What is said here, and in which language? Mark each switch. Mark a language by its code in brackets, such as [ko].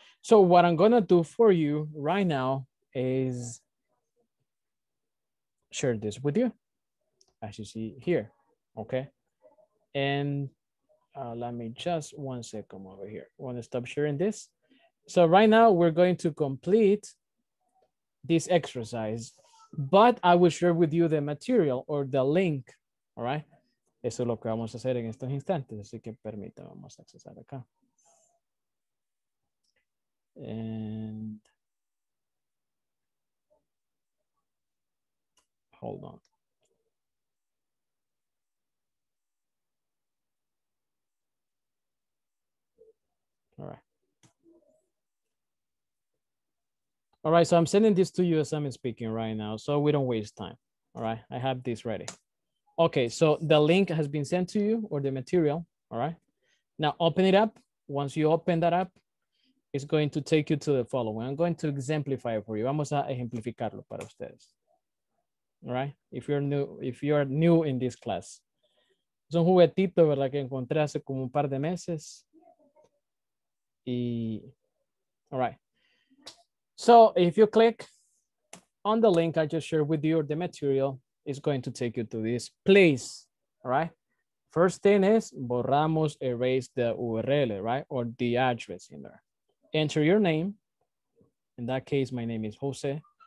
[en] So what I'm going to do for you right now is share this with you, as you see here. Okay. And let me just 1 second come over here. I want to stop sharing this. So right now we're going to complete this exercise but I will share with you the material or the link, all right? [es] Eso es lo que vamos a hacer en estos instantes, así que permítanme, vamos a accesar acá. [en] And hold on. All right. All right, so I'm sending this to you as I'm speaking right now, so we don't waste time. All right, I have this ready. Okay, so the link has been sent to you, or the material, all right? Now open it up. Once you open that up, it's going to take you to the following. I'm going to exemplify it for you. [es] Vamos a ejemplificarlo para ustedes. [en] All right, if you're new in this class. [es] Es un juguetito, ¿verdad?, que encontré hace como un par de meses. [en] All right. So if you click on the link I just shared with you, or the material, is going to take you to this place, all right? First thing is, [es] borramos, [en] erase the URL, right? Or the address in there. Enter your name. In that case, my name is Jose.